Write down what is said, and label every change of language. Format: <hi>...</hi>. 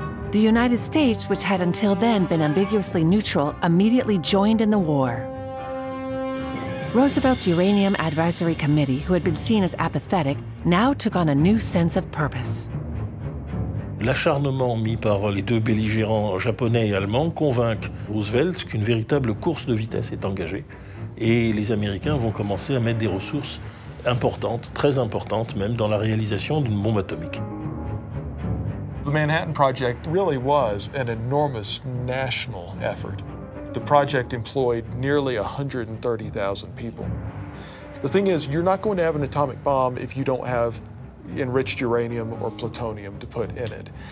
<en>The United States, which had until then been ambiguously neutral, immediately joined in the war. Roosevelt's Uranium Advisory Committee, who had been seen as apathetic, now took on a new sense of purpose.</en> <fr>L'acharnement mis par les deux belligérants japonais et allemands convainc Roosevelt qu'une véritable course de vitesse est engagée. Et les Américains vont commencer à mettre des ressources importantes, très importantes même, dans la réalisation d'une bombe atomique.</fr> <en>The Manhattan Project really was an enormous national effort. The project employed nearly 130,000 people. The thing is, you're not going to have an atomic bomb if you don't have enriched uranium or plutonium to put in it.</en>